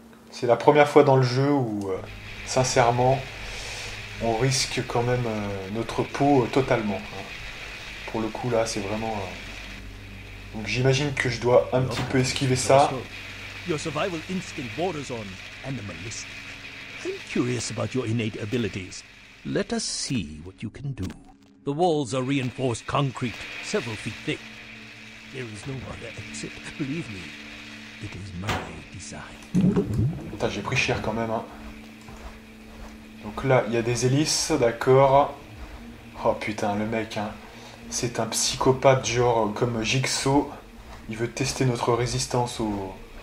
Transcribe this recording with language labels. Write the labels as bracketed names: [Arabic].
[French] C'est la première fois dans le jeu où, sincèrement, on risque quand même notre peau totalement. Pour le coup, là, c'est vraiment... Donc j'imagine que je dois un petit peu esquiver ça. [English] Your survival instinct borders on animalistic. I'm curious about your innate abilities. Let us see what you can do. The walls are reinforced concrete, several feet thick. There is no other exit, believe me. It is my design. [French] Putain, j'ai pris cher quand même, hein. Donc là, il y a des hélices, d'accord. Oh putain, le mec, hein. C'est un psychopathe, genre comme Jigsaw. Il veut tester notre résistance au...